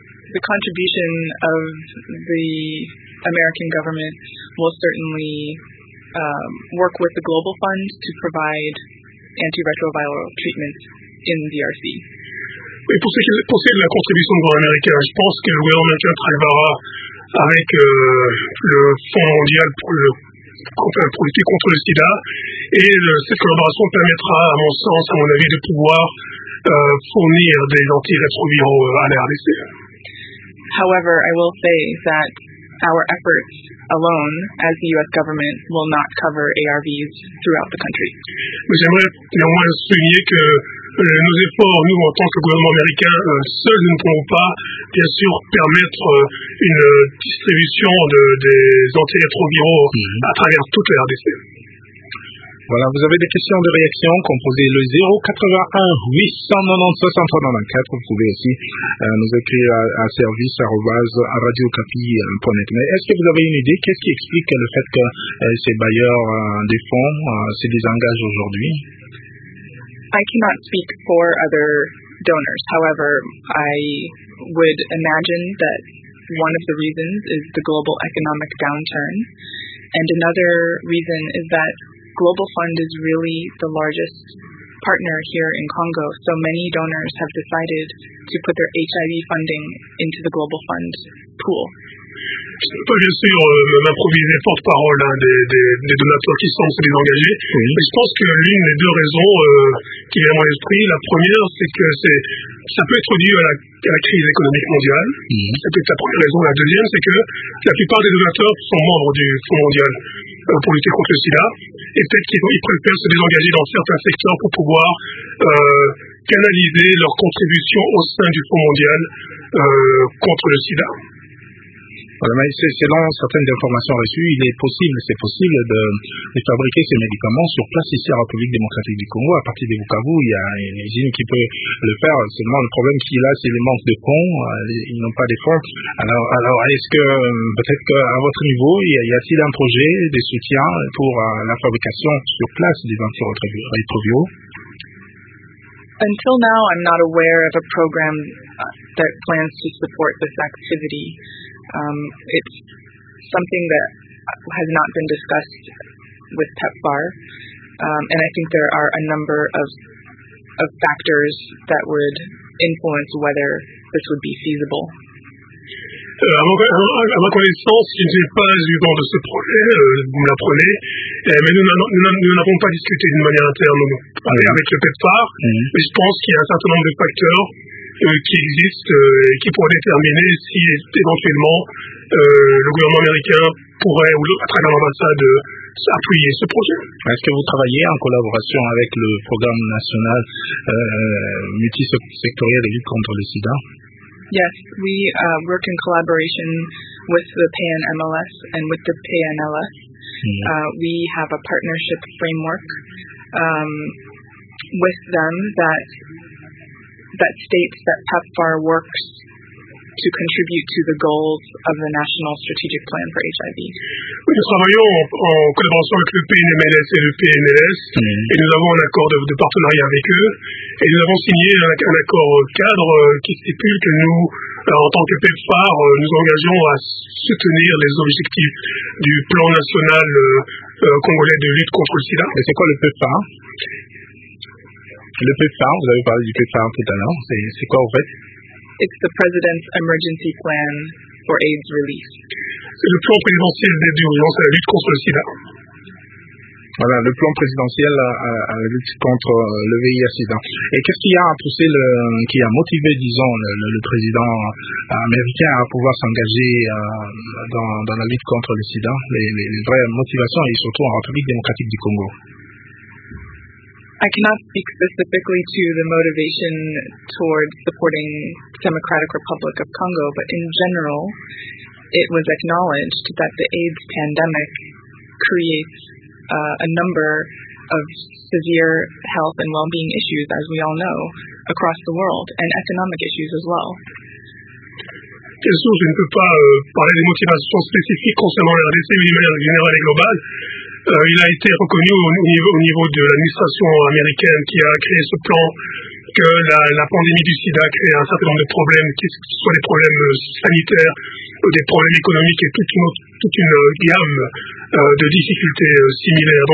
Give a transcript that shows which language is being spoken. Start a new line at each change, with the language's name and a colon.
English: The contribution of the American government will certainly work with the Global Fund to provide antiretroviral treatment in DRC.
French: Oui, pour ce qui est de la contribution du gouvernement américain, je pense que le gouvernement travaillera avec le Fonds mondial pour lutter contre le SIDA, et cette collaboration permettra, à mon sens, à mon avis, de pouvoir fournir des antirétroviraux à la RDC.
English: However, I will say that our efforts alone, as the U.S. government, will not cover ARVs throughout the country.
French: J'aimerais néanmoins souligner que nos efforts, nous, en tant que gouvernement américain, seuls, nous ne pouvons pas, bien sûr, permettre une distribution des antirétroviraux à travers toute la RDC. Voilà, vous avez des questions de réaction, composez le 081-890-6394. Vous pouvez aussi nous écrire à service@radiokapi.net. Mais est-ce que vous avez une idée? Qu'est-ce qui explique le fait que ces bailleurs des fonds se désengagent aujourd'hui?
English: I cannot speak for other donors. However, I would imagine that one of the reasons is the global economic downturn. And another reason is that Global Fund is really the largest partner here in Congo. So many donors have decided to put their HIV funding into the Global Fund pool.
French: Je ne peux pas bien sûr m'improviser porte-parole hein, des donateurs qui sont se désengager, oui. Mais je pense que l'une des deux raisons qui vient à mon esprit, la première, c'est que ça peut être dû à la crise économique mondiale, oui. Ça peut être la première raison. La deuxième, c'est que la plupart des donateurs sont membres du Fonds mondial pour lutter contre le SIDA, et peut-être qu'ils préfèrent se désengager dans certains secteurs pour pouvoir canaliser leur contribution au sein du Fonds mondial contre le SIDA. Selon certaines informations reçues, c'est possible de fabriquer ces médicaments sur place ici en République démocratique du Congo. À partir de Bukavu, il y a une usine qui peut le faire. Seulement, le problème qu'il a, c'est le manque de fonds. Ils n'ont pas de fonds. Alors, est-ce que peut-être qu'à votre niveau, y a-t-il un projet de soutien pour la fabrication sur place des antirétroviraux?
English: Until now, I'm not aware of a program that plans to support this activity. It's something that has not been discussed with PEPFAR, and I think there are a number of factors that would influence whether this would be feasible.
French: À ma connaissance, je n'ai pas eu vent de ce projet, vous l'apprenez, mais nous n'avons pas discuté d'une manière interne avec le PEPFAR, mais je pense qu'il y a un certain nombre de facteurs qui existent et qui pourraient déterminer si éventuellement le gouvernement américain pourrait, ou à travers l'ambassade, appuyer ce projet. Est-ce que vous travaillez en collaboration avec le programme national multisectoriel de lutte contre le SIDA?
English: Yes, we work in collaboration with the PAN-MLS and with the PANLS. We have a partnership framework with them that states that PEPFAR works to contribute to the goals of the National Strategic Plan for HIV.
French: Oui, nous travaillons en collaboration avec le PNMLS et le PNLS, et nous avons un accord de partenariat avec eux, et nous avons signé un accord cadre qui stipule que nous, en tant que PEPFAR, nous engageons à soutenir les objectifs du plan national congolais de lutte contre le SIDA. Mais c'est quoi le PEPFAR? Le PEPFAR, vous avez parlé du PEPFAR tout à l'heure, c'est quoi en fait?
English: It's the President's Emergency Plan for AIDS Relief.
French: C'est le plan présidentiel d'aide d'urgence à la lutte contre le SIDA. Voilà, le plan présidentiel à la lutte contre le VIH-SIDA. Et qu'est-ce qui a poussé, qui a motivé, disons, le président américain à pouvoir s'engager dans la lutte contre le SIDA? Les vraies motivations, et surtout en République démocratique du Congo.
English: I cannot speak specifically to the motivation towards supporting the Democratic Republic of Congo, but in general, it was acknowledged that the AIDS pandemic creates a number of severe health and well-being issues, as we all know, across the world, and economic issues as well.
French: Bien sûr, je ne peux pas parler des motivations spécifiques concernant la RDC, mais de manière générale et globale. Il a été reconnu au niveau de l'administration américaine qui a créé ce plan que la pandémie du SIDA crée un certain nombre de problèmes, que ce soit des problèmes sanitaires, des problèmes économiques et toute une gamme de difficultés similaires.